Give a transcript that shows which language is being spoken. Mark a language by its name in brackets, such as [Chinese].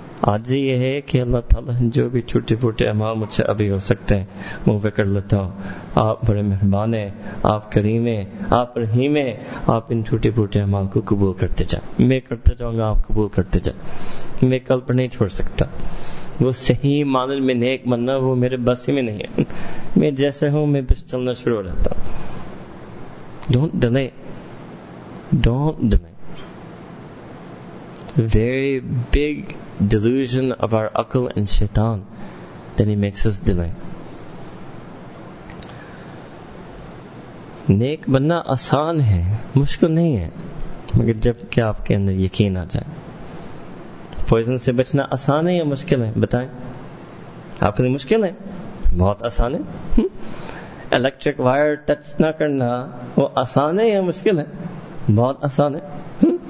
[Urdu] عاجزی یہ ہے کہ اللہ تعالیٰ جو بھی چھوٹے پھوٹے اعمال مجھ سے ابھی ہو سکتے ہیں منہ پہ کر لیتا ہوں آپ بڑے مہربان ہیں آپ کریم ہیں آپ رحیم ہیں آپ ان چھوٹے پھوٹے اعمال کو قبول کرتے جائیں میں کرتا جاؤں گا آپ قبول کرتے جائیں میں کل پر نہیں چھوڑ سکتا وہ صحیح معنی میں نیک بننا وہ میرے بس ہی میں نہیں ہے, میں جیسے ہوں میں پھر چلنا شروع ہو جاتا ہوں. [English] Don't delay. It's a very big delusion of our akal and shaitan that he makes us delay. [Urdu] نیک بننا آسان ہے, مشکل نہیں ہے, مگر جب کہ آپ کے اندر یقین آ جائے. پوائزن سے بچنا آسان ہے یا مشکل ہے بتائیں؟ آپ کے لیے مشکل ہے, بہت آسان ہے. الیکٹرک وائر ٹچ نہ کرنا وہ آسان ہے یا مشکل ہے؟ بہت آسان ہے.